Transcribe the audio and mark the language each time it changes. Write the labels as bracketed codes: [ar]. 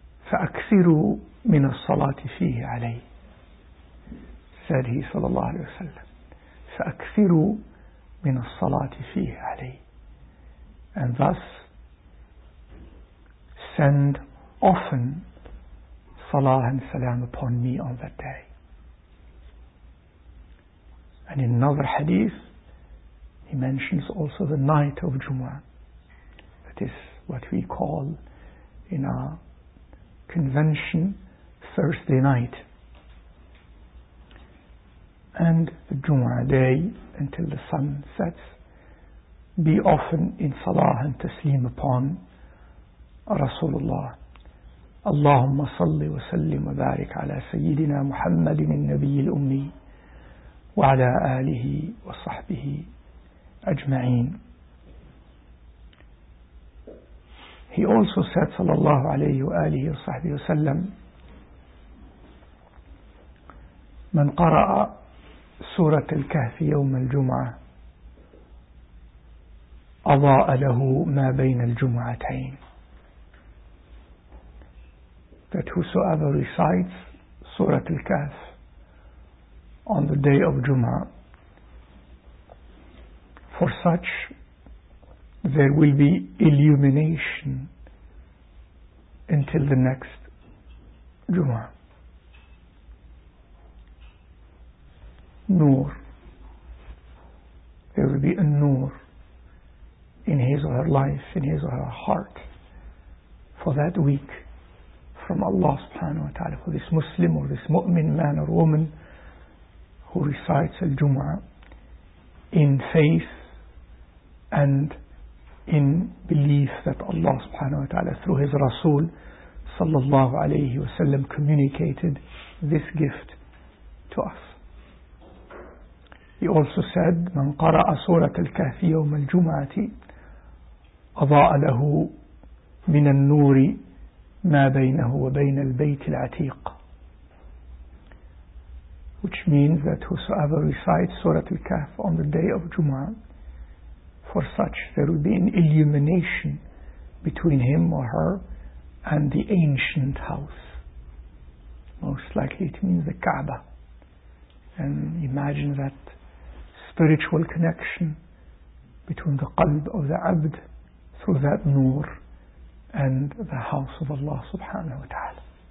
[ar] فَأَكْثِرُوا مِنَ الصَّلَاةِ فِيهِ عَلَيْهِ said he صلى الله عليه وسلم. فَأَكْثِرُوا مِنَ الصَّلَاةِ فِيهِ عَلَيْهِ [en] and thus send often Salah and salam upon me on that day. And in another hadith, he mentions also the night of Jumu'ah. That is what we call in our convention Thursday night. And the Jumu'ah day until the sun sets, be often in salah and taslim upon Rasulullah. [ar] اللهم صل وسلم وبارك على سيدنا محمد النبي الأمي وعلى آله وصحبه أجمعين. He also said صلى الله عليه وآله وصحبه وسلم: من قرأ سورة الكهف يوم الجمعة أضاء له ما بين الجمعتين. [en] that whosoever recites Surah Al-Kahf on the day of Jummah, for such there will be illumination until the next Jummah. Noor. There will be a noor in his or her life, in his or her heart, for that week from Allah subhanahu wa ta'ala, for this Muslim or this mu'min man or woman who recites al-Jum'ah in faith and in belief that Allah subhanahu wa ta'ala through his Rasul sallallahu alayhi wa sallam communicated this gift to us. [ar] He also said, من قرأ سورة الكهف يوم الجمعة أضاء له من النور ما بينه وبين البيت العتيق. [en] Which means that whosoever recites سورة الكهف on the day of Jum'ah, for such there will be an illumination between him or her and the ancient house. Most likely it means the Kaaba. And imagine that spiritual connection between the qalb of the abd through that nur and the house of Allah subhanahu wa ta'ala.